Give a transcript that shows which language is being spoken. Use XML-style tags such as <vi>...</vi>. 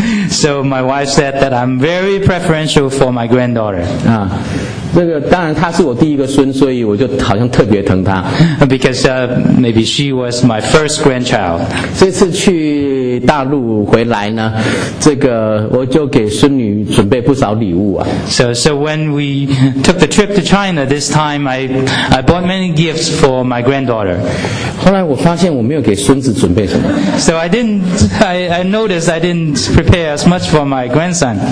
<en>So my wife said that I'm very preferential for my granddaughter. 啊。</en> <zh>这个当然，他是我第一个孙，所以我就好像特别疼他。</zh> <en>Because maybe she was my first grandchild.</en> <zh>这次去大陆回来呢，这个我就给孙女准备不少礼物啊。</zh> <en>So when we took the trip to China this time, I bought many gifts for my granddaughter.</en> <zh>后来我发现我没有给孙子准备什么。</zh> <en>So I noticed I didn't prepare as much for my grandson.</en>